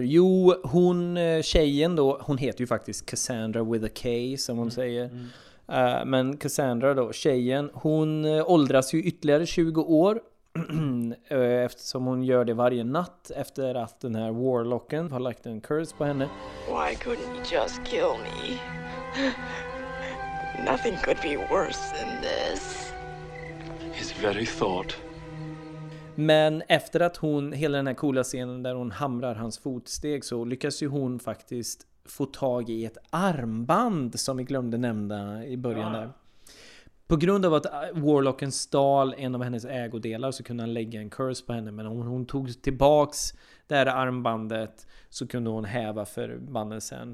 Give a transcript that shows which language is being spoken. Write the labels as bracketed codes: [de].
[sv] Jo, hon, tjejen då, hon heter ju faktiskt Cassandra [en] with a K, [sv] som hon säger. Men Cassandra då, tjejen, hon åldras ju ytterligare 20 år eftersom hon gör det varje natt efter att den här warlocken har lagt en curse på henne. [en] Why couldn't you just kill me? Nothing could be worse than this. His very thought. [sv] Men efter att hon, hela den här coola scenen där hon hamrar hans fotsteg, så lyckas ju hon faktiskt få tag i ett armband som vi glömde nämna i början där. På grund av att Warlocken stal en av hennes ägodelar så kunde han lägga en curse på henne. Men om hon tog tillbaks det här armbandet så kunde hon häva förbannelsen.